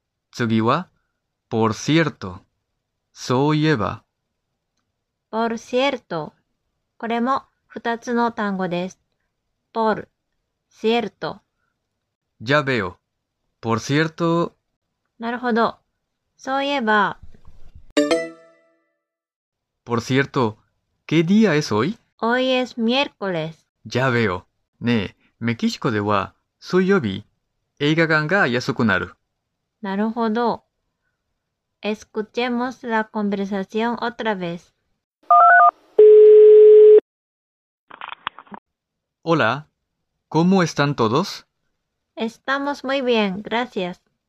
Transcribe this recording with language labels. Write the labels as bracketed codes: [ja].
[ja] 次は、por cierto。そういえば。 [es] por cierto。 [ja] これも二つの単語です。 [es] por cierto。 [ja] じゃ、べお。por cierto。なるほど。そういえば。 [es] por cierto、¿qué día es hoy? Hoy es miércoles. Ya veo. [ja] ねえ、メキシコでは、水曜日、映画館が安くなる。なるほど。 [es] Escuchemos la conversación otra vez. Hola, ¿cómo están todos? Estamos muy bien, gracias.